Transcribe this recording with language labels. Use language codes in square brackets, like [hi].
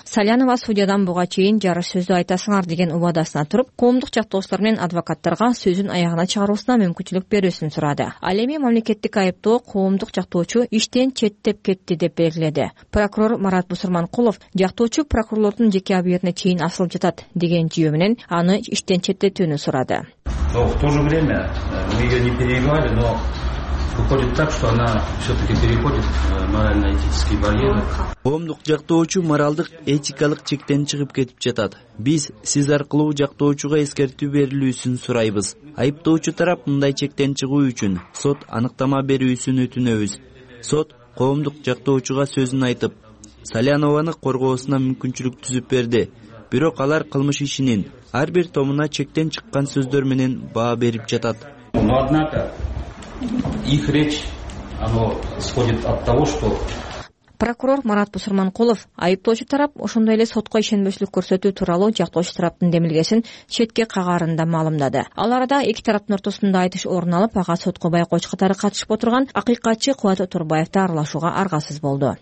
[ky] Салянова судьядан буга чейин жарыш сөздү айтасыңар деген убадасына туруп, коомдук жактоочулар менен адвокаттарга сөзүн аягына чыгаруусуна мүмкүнчүлүк берүүсүн сурады. Ал эми мамлекеттик айыптоо коомдук жактоочу иштен четтеп кетти деп белгиледи. Прокурор Марат Бусурманкулов жактоочу прокурорлордун жеке абийирине чейин асылып жатат деген жүйө менен аны иштен четтетүүнү сурады. [ru] В то же время мы её не перебивали, но выходит так, что она все-таки переходит морально-этические барьеры. [ky] Коомдук жактоочу моралдык этикалык чектен чыгып кетип жатат. Биз сиз аркылуу жактоочуга эскертүү берилүүсүн сурайбыз. Айыптоочу тарап мындай чектен чыгуу үчүн сот аныктама берүүсүн өтүнөбүз. Сот коомдук жактоочуга сөзүн айтып, Салянованы коргоосуна мүмкүнчүлүк түзүп берди. Бирок алар кылмыш ишинин ар бир томуна чектен чыккан сөздөр менен баа берип жатат. [ru] Но однако их речь оно сходит от того, что [ky] Прокурор Марат Бусурманкулов айыптоочу тарап ошондой эле сотко ишенбөшүлүк көрсөтүү тууралуу жактоочу тараптын демилгесин четке кагарында маалымдады. Ал арада эки тараптын ортосунда айтыш орун алып, ага сотко байкоочу катары катышып отурган акыйкатчы Кубат Отурбаевди аралашууга аргасыз болду.